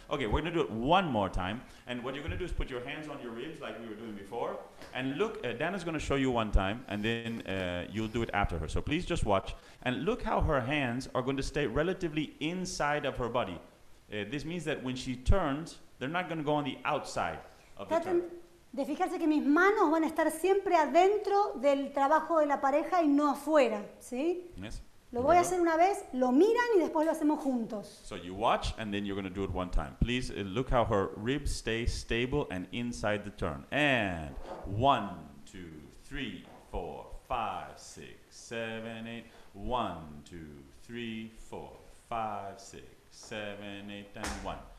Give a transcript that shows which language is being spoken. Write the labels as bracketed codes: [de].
[en] Okay, we're going to do it one more time. And what you're going to do is put your hands on your ribs like we were doing before. And look, Dana's going to show you one time, and then you'll do it after her. So please just watch. And look how her hands are going to stay relatively inside of her body. This means that when she turns, they're not going to go on the outside of the turn. [es] De fijarse que mis manos van a estar siempre adentro del trabajo de la pareja y no afuera, ¿sí? [en] Yes. [es] Lo voy a hacer una vez, lo miran y después lo hacemos juntos. [en] So you watch and then you're going to do it one time. Please look how her ribs stay stable and inside the turn. And one, two, three, four, five, six, seven, eight. One, two, three, four, five, six, seven, eight, and one.